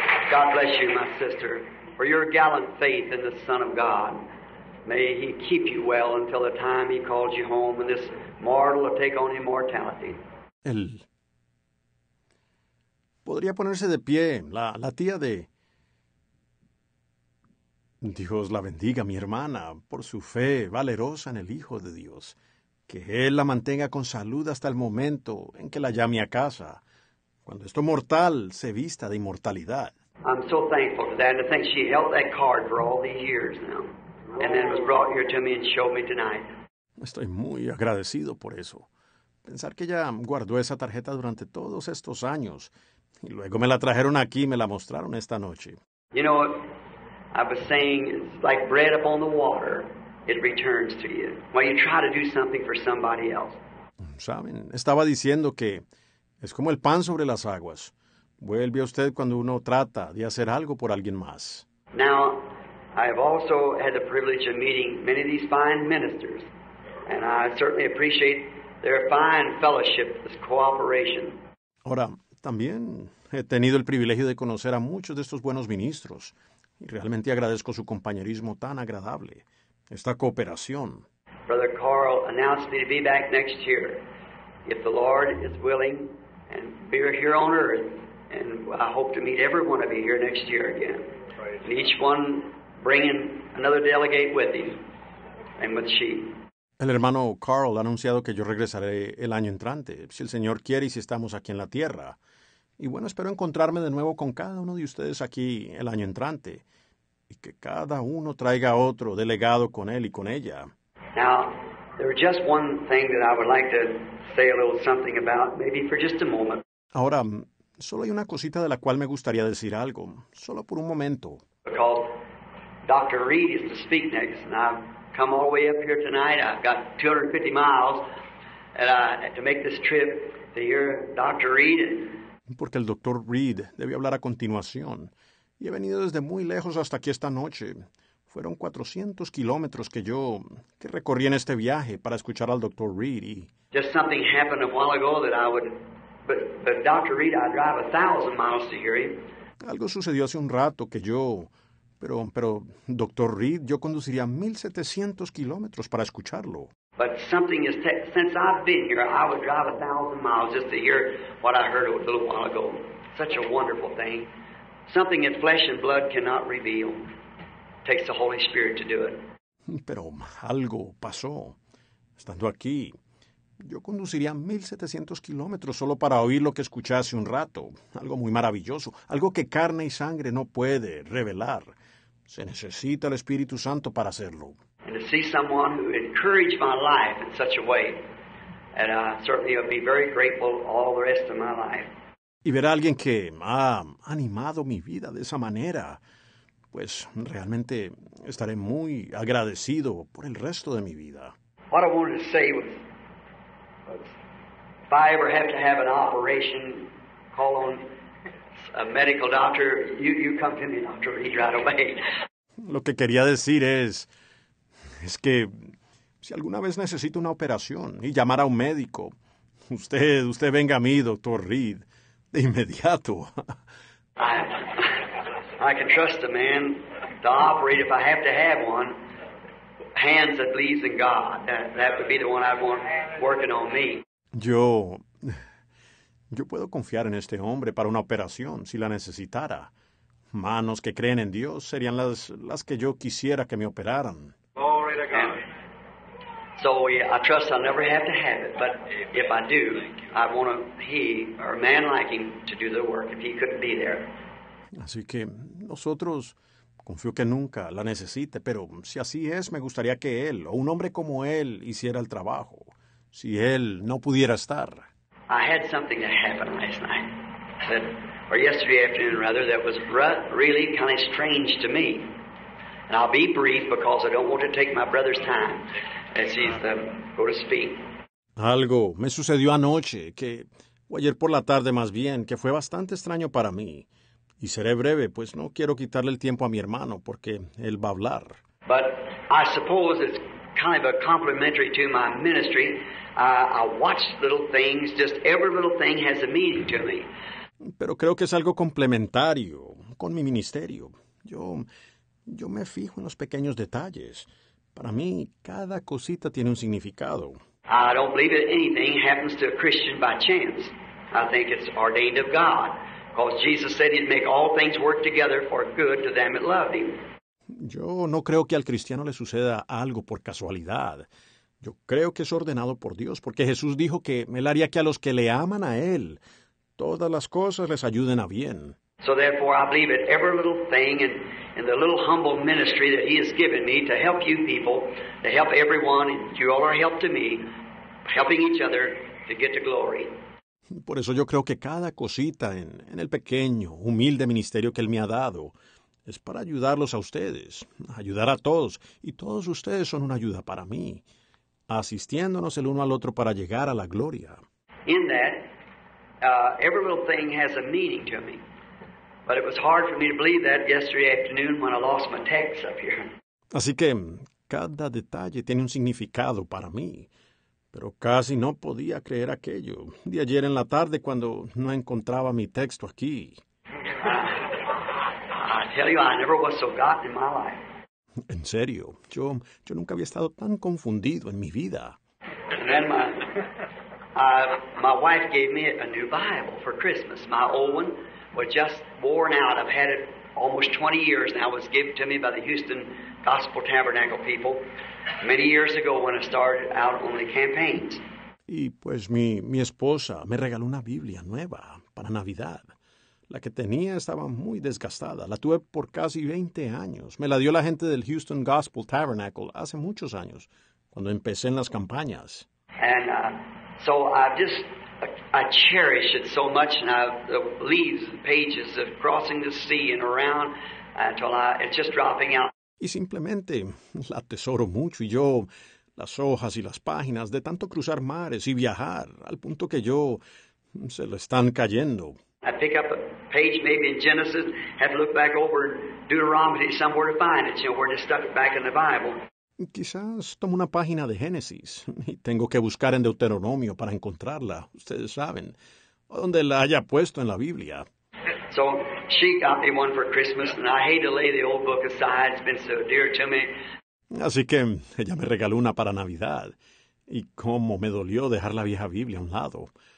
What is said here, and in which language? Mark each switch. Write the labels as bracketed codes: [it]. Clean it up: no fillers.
[en] God bless you, my sister, for your gallant faith in the Son of God. May He keep you well until the time He calls you home and this mortal will take on immortality. [es] El podría ponerse de pie la tía de Dios la bendiga, mi hermana, por su fe valerosa en el Hijo de Dios. Que Él la mantenga con salud hasta el momento en que la llame a casa, cuando esto mortal se vista de inmortalidad. [en] I'm so thankful for that, and I think she held that card for all these years now, and then was brought here to me and showed me tonight. [es] Estoy muy agradecido por eso. Pensar que ella guardó esa tarjeta durante todos estos años, y luego me la trajeron aquí y me la mostraron esta noche. [en] You know, I was saying, it's like bread upon the water. It returns to you. While you try to do something for somebody else. [es] Saben, estaba diciendo que es como el pan sobre las aguas. Vuelve a usted cuando uno trata de hacer algo por alguien más. [en] Now, I have also had the privilege of meeting many of these fine ministers, and I certainly appreciate their fine fellowship, this cooperation. [es] Ahora, también he tenido el privilegio de conocer a muchos de estos buenos ministros, y realmente agradezco su compañerismo tan agradable, esta cooperación. [en] Brother Carl announced me to be back next year, if the Lord is willing, and be here on earth, and I hope to meet every one of you here next year again. And each one bringing another delegate with him and with she. [es] El hermano Carl ha anunciado que yo regresaré el año entrante, si el Señor quiere y si estamos aquí en la tierra. Y bueno, espero encontrarme de nuevo con cada uno de ustedes aquí el año entrante y que cada uno traiga otro delegado con él y con ella. [en] Now, there's just one thing that I would like to say a little something about, maybe for just a moment. [es] Ahora, solo hay una cosita de la cual me gustaría decir algo, solo por un momento. [en] Because Dr. Reed is to speak next, and I've come all the way up here tonight. I've got 250 miles to make this trip to hear Dr. Reed. [es] Porque el Dr. Reed debe hablar a continuación. Y he venido desde muy lejos hasta aquí esta noche. Fueron 400 kilómetros que recorrí en este viaje para escuchar al Dr. Reed. [en] Just something happened a while ago that I would... But Dr. Reed, I drive 1,000 miles to hear him. [es] Algo sucedió hace un rato que yo... Pero Dr. Reed, yo conduciría 1,700 kilómetros para escucharlo. [en] But something is... Since I've been here, I would drive 1,000 miles just to hear what I heard a little while ago. Such a wonderful thing. Something that flesh and blood cannot reveal. Takes the Holy Spirit to do it. [es] Pero algo pasó. Estando aquí, yo conduciría 1,700 kilómetros solo para oír lo que escuché hace un rato. Algo muy maravilloso. Algo que carne y sangre no puede revelar. Se necesita el Espíritu Santo para hacerlo. [en] And to see someone who encouraged my life in such a way, and I certainly would be very grateful all the rest of my life. [es] Y ver a alguien que ha animado mi vida de esa manera, pues realmente estaré muy agradecido por el resto de mi vida. [en] What I wanted to say was, if I ever have to have an operation, call on a medical doctor, you come to me, Dr. Reed, right away. [es] Lo que quería decir es que si alguna vez necesito una operación y llamar a un médico, usted venga a mí, Dr. Reed, de inmediato. [en] I can trust a man to operate if I have to have one. Hands that believes in God, that would be the one I'd want working on me. [es] Yo puedo confiar en este hombre para una operación si la necesitara. Manos que creen en Dios serían las que yo quisiera que me operaran. [en] Glory to God. And so yeah, I trust I'll never have to have it, but if I do, I want a man like him to do the work if he couldn't be there. [es] Así que nosotros, confío que nunca la necesite, pero si así es, me gustaría que él o un hombre como él hiciera el trabajo, si él no pudiera estar. [en] I had something that happened last night, or yesterday afternoon rather, that was really kind of strange to me. And I'll be brief because I don't want to take my brother's time as he's going to speak. [es] Algo me sucedió anoche, o ayer por la tarde más bien, que fue bastante extraño para mí. Y seré breve, pues no quiero quitarle el tiempo a mi hermano, porque él va a hablar. [en] But I suppose it's kind of a complimentary to my ministry. I watch little things, just every little thing has a meaning to me. [es] Pero creo que es algo complementario con mi ministerio. Yo me fijo en los pequeños detalles. Para mí, cada cosita tiene un significado. [en] I don't believe that anything happens to a Christian by chance. I think it's ordained of God. Because Jesus said he'd make all things work together for good to them that loved him. [es] Yo no creo que al cristiano le suceda algo por casualidad. Yo creo que es ordenado por Dios, porque Jesús dijo que él haría que a los que le aman a él, todas las cosas les ayuden a bien. [en] So therefore I believe that every little thing in the little humble ministry that he has given me to help you people, to help everyone, and you all are help to me, helping each other to get to glory. [es] Por eso yo creo que cada cosita en el pequeño, humilde ministerio que él me ha dado es para ayudarlos a ustedes, ayudar a todos. Y todos ustedes son una ayuda para mí, asistiéndonos el uno al otro para llegar a la gloria. [en] In that, Every little thing has a meaning to me. But it was hard for me to believe that yesterday afternoon when I lost my text up here. [es] Así que cada detalle tiene un significado para mí. Pero casi no podía creer aquello de ayer en la tarde cuando no encontraba mi texto aquí. [en] I tell you, I never was so gotten in my life. [es] En serio, yo nunca había estado tan confundido en mi vida. [en] And then my wife gave me a new Bible for Christmas. My old one was just worn out. I've had it almost 20 years now. It was given to me by the Houston Gospel Tabernacle people many years ago when I started out on the campaigns. [es] Y pues mi esposa me regaló una Biblia nueva para Navidad. La que tenía estaba muy desgastada. La tuve por casi 20 años. Me la dio la gente del Houston Gospel Tabernacle hace muchos años, cuando empecé en las campañas. [en] And so I cherish it so much, and the leaves and pages of crossing the sea and around until it's just dropping out. [es] Y simplemente la atesoro mucho, y yo las hojas y las páginas de tanto cruzar mares y viajar, al punto que yo se lo están cayendo. [en] I pick up a page maybe in Genesis, have to look back over Deuteronomy somewhere to find it, you know, where they stuck it back in the Bible. [es] Quizás tomo una página de Génesis y tengo que buscar en Deuteronomio para encontrarla, ustedes saben, o donde la haya puesto en la Biblia. [en] So she got me one for Christmas, and I hate to lay the old book aside. It's been so dear to me. [es] Así que ella me regaló una para Navidad. Y cómo me dolió dejar la vieja Biblia a un lado.